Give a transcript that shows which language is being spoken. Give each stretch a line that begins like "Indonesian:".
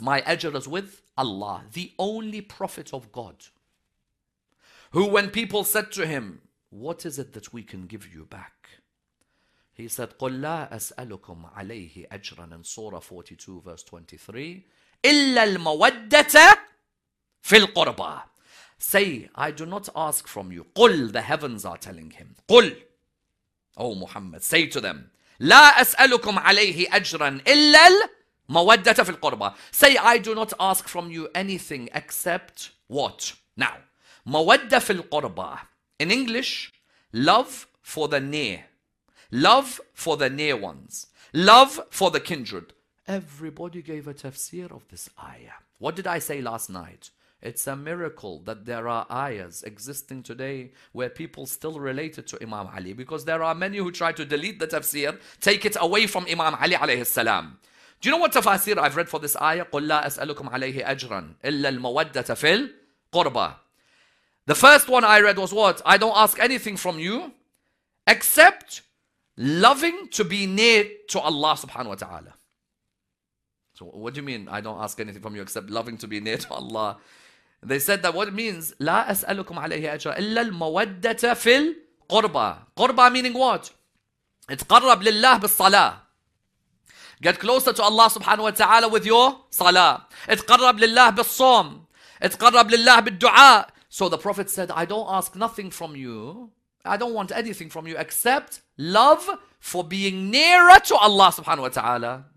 English: My ajr is with Allah. The only prophet of God who, when people said to him, what is it that we can give you back? He said,
Arabic: قُلْ لَا أَسْأَلُكُمْ عَلَيْهِ أَجْرًا
English: in Surah 42 verse 23.
Arabic: إِلَّا الْمَوَدَّةَ فِي الْقُرْبَى.
English: Say, I do not ask from you. قُلْ, the heavens are telling him.
Arabic: قُلْ,
English: O Muhammad, say to them,
Arabic: لَا أَسْأَلُكُمْ عَلَيْهِ أَجْرًا إِلَّا الْمَوَدَّةَ فِي الْقُرْبَى.
English: Say, I do not ask from you anything except what?
Arabic: Now, مَوَدَّ فِي الْقُرْبَى.
English: In English, love for the near. Love for the near ones. Love for the kindred. Everybody gave a tafsir of this ayah. What did I say last night? It's a miracle that there are ayahs existing today where people still related to Imam Ali, because there are many who try to delete the tafsir, take it away from Imam Ali alayhi salam. Do you know what tafsir I've read for this ayah?
Arabic: قُلْ لَا أَسْأَلُكُمْ عَلَيْهِ أَجْرًا إِلَّا الْمَوَدَّةَ فِي الْقُرْبَى.
English: The first one I read was what? I don't ask anything from you except loving to be near to Allah subhanahu wa ta'ala. So what do you mean, I don't ask anything from you except loving to be near to Allah? They said that what it means,
Arabic: لَا أَسْأَلُكُمْ عَلَيْهِ أَجْرًا إِلَّا الْمَوَدَّةَ فِي الْقُرْبَى.
English: قُرْبَى meaning what?
Arabic: اتقرب لله بالصلاة.
English: Get closer to Allah subhanahu wa ta'ala with your salah.
Arabic: اتقرب لله بالصوم. اتقرب لله بالدعاء.
English: So the Prophet said, I don't ask nothing from you. I don't want anything from you except love for being nearer to Allah subhanahu wa ta'ala.